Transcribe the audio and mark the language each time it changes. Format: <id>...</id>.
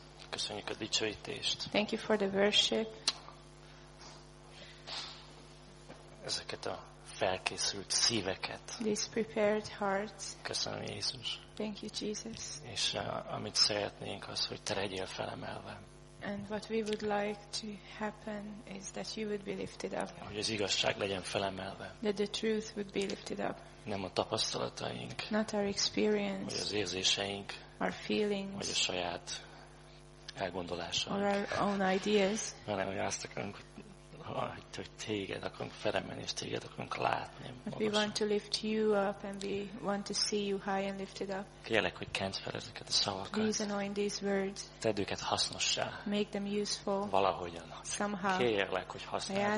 <hu>Köszönjük a dicsőítést.</hu> <en>Thank you for the worship.</en> <hu>Ezeket a felkészült szíveket.</hu> <en>These prepared hearts.</en> <hu>Köszönöm, Jézus.</hu> <en>Thank you, Jesus.</en> <hu>És amit szeretnénk, az, hogy te legyél felemelve.</hu> <en>And what we would like to happen is that you would be lifted up.</en> <hu>Hogy az igazság legyen felemelve.</hu> <en>That the truth would be lifted up.</en> <hu>Nem a tapasztalataink.</hu> <en>Not our experience.</en> <hu>Vagy az érzéseink.</hu> <en>Our feelings.</en> <hu>Vagy a saját elgondolásaink.</hu> <en>Or our own ideas.</en> <hu>Hanem, hogy azt akarunk, hogy téged akarunk felemelni, és téged akarunk látni.</hu> <en>But we want to lift you up, and we want to see you high and lifted up.</en> <hu>Kérlek, hogy kent fel ezeket a szavakat.</hu> <en>Please anoint these words.</en> <hu>Tedd őket hasznossá.</hu> <en>Make them useful.</en> <hu>Valahogyan.</hu> <en>Somehow.</en> <hu>Kérlek, hogy használd őket.</hu>